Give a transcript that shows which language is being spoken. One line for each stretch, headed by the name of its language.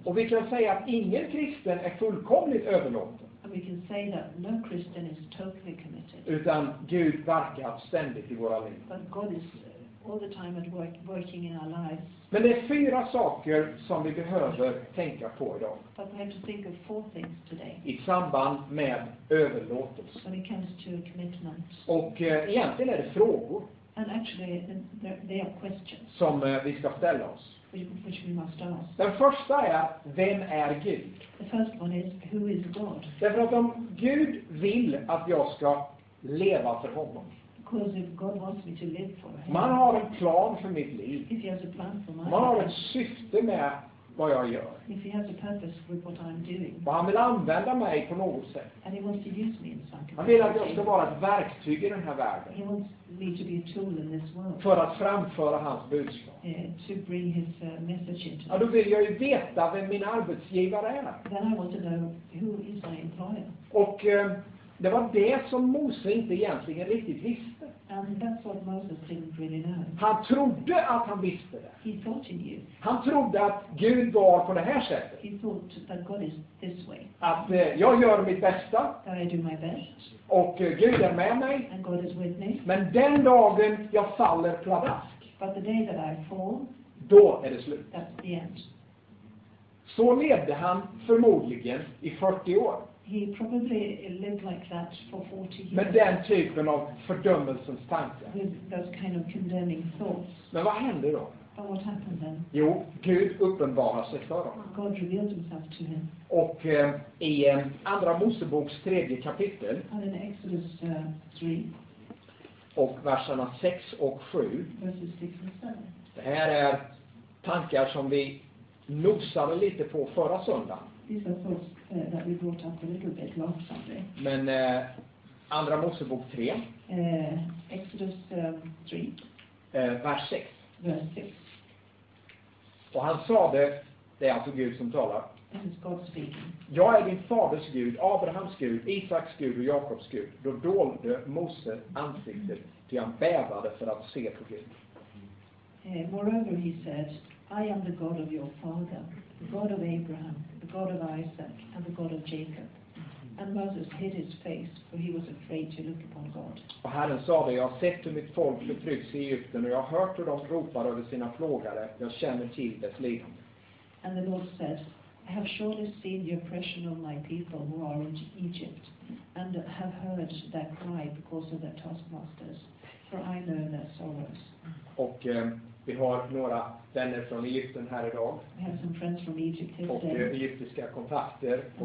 Swedish: Och vi kan säga att ingen kristen är fullkomligt överlåten.
English: And we can say that no Christian is totally committed.
Swedish: Utan Gud verkar ständigt i våra liv.
English: But God is all the time at working in our lives.
Swedish: Men det är fyra saker som vi behöver tänka på idag.
English: But we have to think of four things today.
Swedish: I samband med överlåtelse.
English: When it comes to commitment.
Swedish: Och egentligen är det frågor.
English: And actually, they are questions.
Swedish: Som vi ska ställa oss.
English: Which we must ask.
Swedish: Den första är, vem är Gud?
English: The first one is, who is God?
Swedish: Därför att om Gud vill att jag ska leva för honom.
English: Because if God wants me to live for him.
Swedish: Man har en plan för mitt liv.
English: If he has a plan for my
Swedish: man life. Har ett syfte med vad jag gör.
English: If he has a purpose with what I'm doing.
Swedish: Och han vill använda mig på något sätt.
English: And he wants to use me in some capacity.
Swedish: Han vill att jag ska vara ett verktyg i den här världen.
English: He wants me to be a tool in this world.
Swedish: För att framföra hans budskap.
English: Yeah, to bring his message into.
Swedish: Ja, då vill jag ju veta vem min arbetsgivare är.
English: Then I want to know who is my employer.
Swedish: Och det var det som Mose inte egentligen riktigt visste.
English: And that's what Moses didn't really know.
Swedish: Han trodde att han visste det.
English: He thought he knew.
Swedish: Han trodde att Gud var på det här sättet.
English: He thought that God is this way.
Swedish: Att jag gör mitt bästa.
English: That I do my best.
Swedish: Och Gud är med mig.
English: And God is with me.
Swedish: Men den dagen jag faller pladask.
English: But the day that I fall.
Swedish: Då är det slut.
English: That's the end.
Swedish: Så levde han förmodligen i 40 år.
English: He probably lived like that for 40 years.
Swedish: Med den typen av fördömelsens tankar.
English: With those kind of condemning thoughts.
Swedish: Men vad hände då?
English: But what happened then?
Swedish: Jo, Gud uppenbarade sig för honom.
English: God revealed himself to him.
Swedish: Och i andra Moseboks tredje kapitel.
English: And in Exodus 3.
Swedish: Och verserna 6 och 7.
English: Verses 6 and 7.
Swedish: Det här är tankar som vi nosade lite på förra söndagen.
English: These are thoughts that we brought up a little bit last Sunday.
Swedish: Men andra Mosebok 3.
English: Exodus 3.
Swedish: Vers 6. Vers 6. Och han sa det, det är alltså Gud som talar.
English: It's God speaking.
Swedish: Jag är din faders Gud, Abrahams Gud, Isaks Gud och Jakobs Gud. Då dolde Mose ansiktet, till han bävade för att se på Gud.
English: Moreover he said, I am the God of your father, the God of Abraham, the God of Isaac, and the God of Jacob. And Moses hid his face, for he was afraid to look upon God.
Swedish: Och Herren sa det, jag har sett hur mitt folk förtrycks i Egypten, och jag har hört hur de ropar över sina plågare, jag känner till dess lidande.
English: And the Lord said, I have surely seen the oppression of my people who are in Egypt, and have heard their cry because of their taskmasters, for I know their sorrows.
Swedish: Och vi har några vänner från Egypten här idag.
English: We have some friends from Egypt here today.
Swedish: Och egyptiska kontakter på